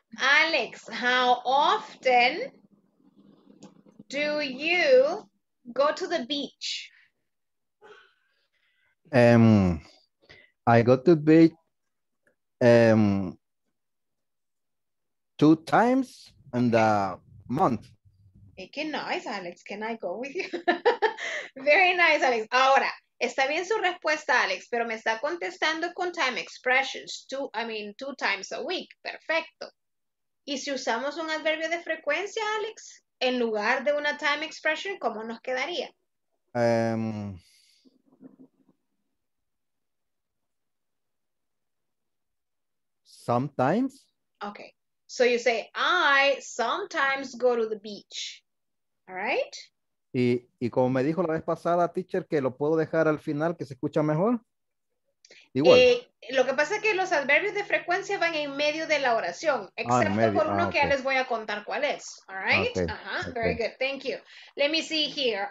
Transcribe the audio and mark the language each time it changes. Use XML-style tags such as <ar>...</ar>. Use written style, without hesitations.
<en>Alex, how often do you go to the beach? I go to the beach two times in the month. Hey, qué nice, Alex. Can I go with you? Very nice, Alex.</en> <es>Ahora, está bien su respuesta, Alex, pero me está contestando con time expressions.</es> <en>Two times a week.</en> <es>Perfecto. ¿Y si usamos un adverbio de frecuencia, Alex, en lugar de una time expression, cómo nos quedaría?</es> <en>Sometimes. Okay. So you say, I sometimes go to the beach. All right?</en> <es>Y como me dijo la vez pasada, teacher, que lo puedo dejar al final, que se escucha mejor. Lo que pasa es que los adverbios de frecuencia van en medio de la oración, excepto por uno que ya les voy a contar cuál es.</es> <en>All right? Okay. Very good. Thank you. Let me see here.</en>